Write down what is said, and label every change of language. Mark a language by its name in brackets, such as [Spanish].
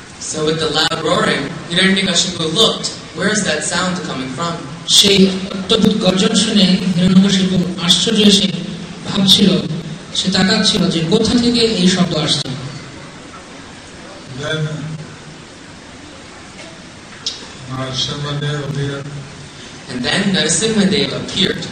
[English] So with the loud roaring, Hiranyakashipu looked, where is that sound coming from? [Bangla] সেই অদ্ভুত গর্জন শুনে হিরণ্যকশিপু আশ্চর্য সে ভাবছিল, সে তাকাচ্ছিল যে কোথা থেকে এই শব্দ আসছে। [English] Then And then Narasimha Dev appeared.